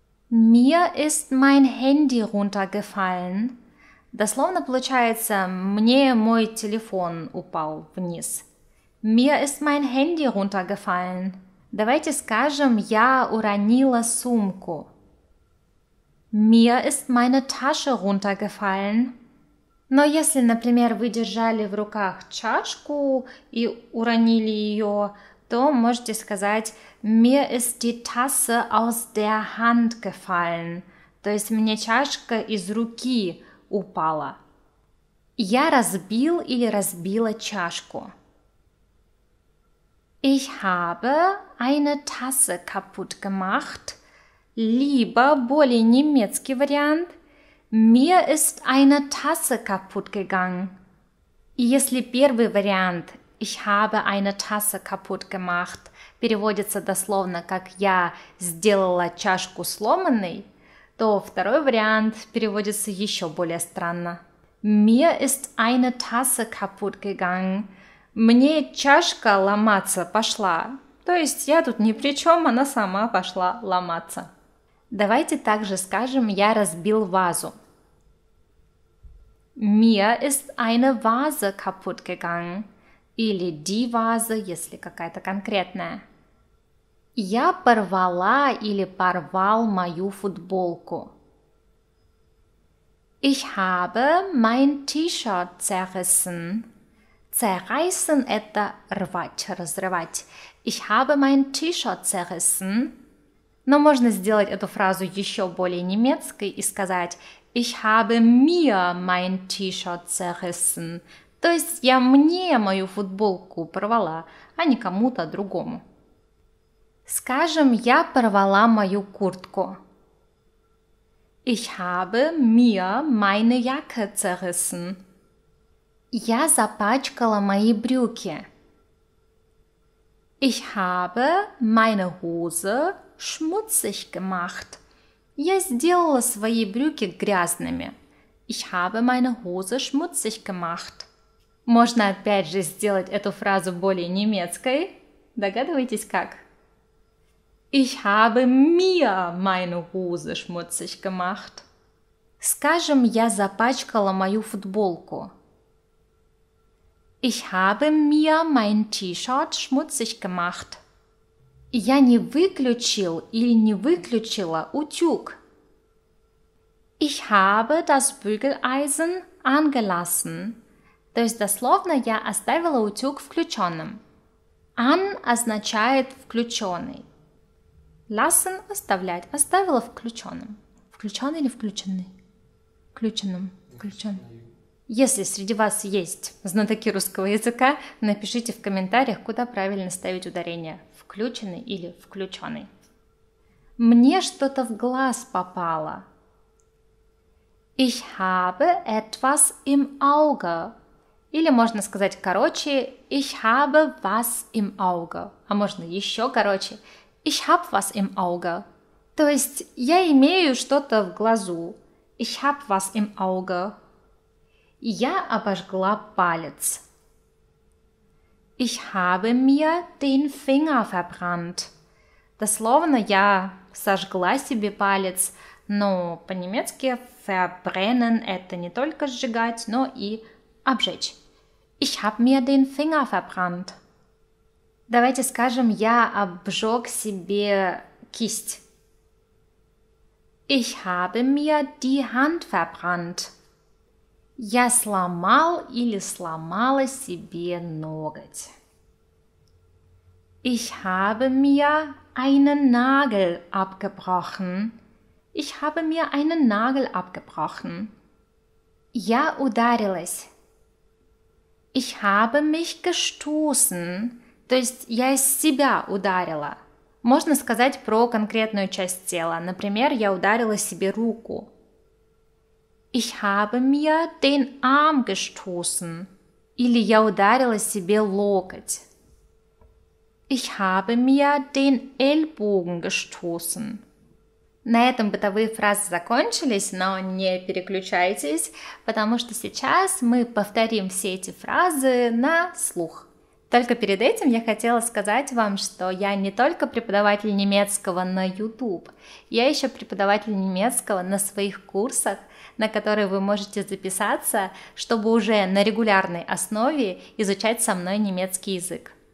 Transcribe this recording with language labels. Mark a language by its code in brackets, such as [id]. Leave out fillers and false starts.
[de] Mir ist mein Handy runtergefallen. [ru] Дословно получается, мне мой телефон упал вниз. [de] Mir ist mein Handy runtergefallen. [ru] Давайте скажем, я уронила сумку. [de] Mir ist meine Tasche runtergefallen. [ru] Но если, например, вы держали в руках чашку и уронили ее, то можете сказать [de] «Mir ist die Tasse aus der Hand gefallen», [ru] то есть «Мне чашка из руки упала». Я разбил или разбила чашку. [de] Ich habe eine Tasse kaputt gemacht, [ru] либо более немецкий вариант [de] «Mir ist eine Tasse kaputt gegangen». [ru] Если первый вариант [de] – Ich habe eine Tasse kaputt gemacht. [ru] Переводится дословно как «я сделала чашку сломанной», то второй вариант переводится еще более странно. [de] Mir ist eine Tasse kaputt gegangen. [ru] Мне чашка ломаться пошла. То есть я тут ни при чем, она сама пошла ломаться. Давайте также скажем «я разбил вазу». [de] Mir ist eine Vase kaputt gegangen. [ru] Или [de] die Vase, [ru] если какая-то конкретная. Я порвала или порвал мою футболку. [de] Ich habe mein T-Shirt zerrissen. [ru] Zerreißen – это рвать, разрывать. [de] Ich habe mein T-Shirt zerrissen. [ru] Но можно сделать эту фразу еще более немецкой и сказать [de] Ich habe mir mein T-Shirt zerrissen. [ru] То есть я мне мою футболку порвала, а не кому-то другому. Скажем, я порвала мою куртку. [de] Ich habe mir meine Jacke zerrissen. [ru] Я запачкала мои брюки. [de] Ich habe meine Hose schmutzig gemacht. [ru] Я сделала свои брюки грязными. [de] Ich habe meine Hose schmutzig gemacht. [ru] Можно опять же сделать эту фразу более немецкой. Догадываетесь как? [de] Ich habe mir meine Hose schmutzig gemacht. [ru] Скажем, я запачкала мою футболку. [de] Ich habe mir mein T-Shirt schmutzig gemacht. [ru] Я не выключил или не выключила утюг. [de] Ich habe das Bügeleisen angelassen. [ru] То есть дословно я оставила утюг включенным. An означает включенный. Lassen – оставлять. Оставила включенным. Включенный или включенный? Включенным. Включенный. Если среди вас есть знатоки русского языка, напишите в комментариях, куда правильно ставить ударение. Включенный или включенный. Мне что-то в глаз попало. [de] Ich habe etwas im Auge. [ru] Или можно сказать короче [de] «Ich habe was im Auge». [ru] А можно еще короче [de] «Ich habe was im Auge». [ru] То есть «Я имею что-то в глазу». [de] «Ich habe was im Auge». [ru] «Я обожгла палец». [de] «Ich habe mir den Finger verbrannt». [ru] Дословно «Я сожгла себе палец». Но по-немецки «verbrennen» – это не только сжигать, но и обжечь. [de] Ich habe mir den Finger verbrannt. [ru] Давайте скажем, я обжег себе кисть. [de] Ich habe mir die Hand verbrannt. [ru] Я сломал или сломала себе ноготь. [de] Ich habe mir einen Nagel abgebrochen. Ich habe mir einen Nagel abgebrochen. [ru] Я ударилась. [de] Ich habe mich gestoßen. [ru] То есть я себя ударила. Можно сказать про конкретную часть тела. Например, я ударила себе руку. [de] Ich habe mir den Arm gestoßen. [ru] Или я ударила себе локоть. [de] Ich habe mir den Ellbogen gestoßen. [ru] На этом бытовые фразы закончились, но не переключайтесь, потому что сейчас мы повторим все эти фразы на слух. Только перед этим я хотела сказать вам, что я не только преподаватель немецкого на YouTube, я еще преподаватель немецкого на своих курсах, на которые вы можете записаться, чтобы уже на регулярной основе изучать со мной немецкий язык.